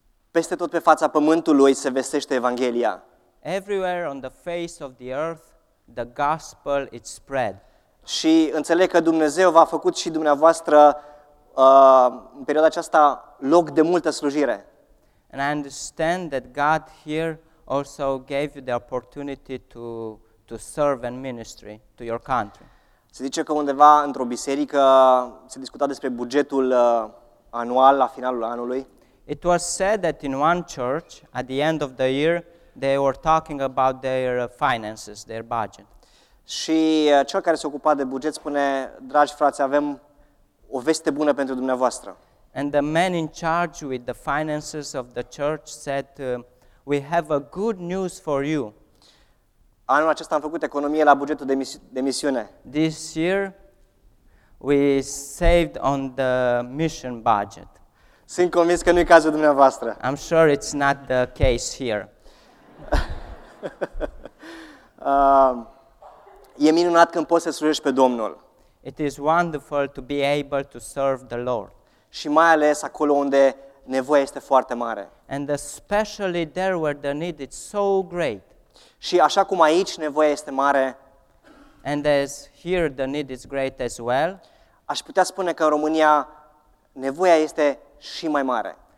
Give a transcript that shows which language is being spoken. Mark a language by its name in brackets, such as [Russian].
[Romanian] Peste tot pe fața pământului se vestește Evanghelia. [English] Everywhere on the face of the earth, the gospel is spread. [Romanian] Și înțeleg că Dumnezeu v-a făcut și dumneavoastră în perioada aceasta loc de multă slujire. [English] And I understand that God here also gave you the opportunity to serve and ministry to your country. [Romanian] Se zice că undeva într-o biserică se discuta despre bugetul anual la finalul anului. [English] It was said that in one church at the end of the year they were talking about their finances, their budget. [Romanian] Și cel care se ocupa de buget spune: "Dragi frați, avem o veste bună pentru dumneavoastră." [English] And the man in charge with the finances of the church said, "We have a good news for you." [Romanian] Anul acesta am făcut economie la bugetul de misiune. [English] This year we saved on the mission budget. [Romanian] Sunt convins că nu e cazul dumneavoastră. [English] I'm sure it's not the case here. [Romanian] E minunat când poți să slujești pe Domnul. [English] It is wonderful to be able to serve the Lord. [Romanian] Și mai ales acolo unde nevoia este foarte mare. [English] And especially there where the need is so great. [Romanian] Și așa cum aici nevoia este mare, [English] and as here the need is great as well, [Romanian] aș putea spune că în România nevoia este și mai mare.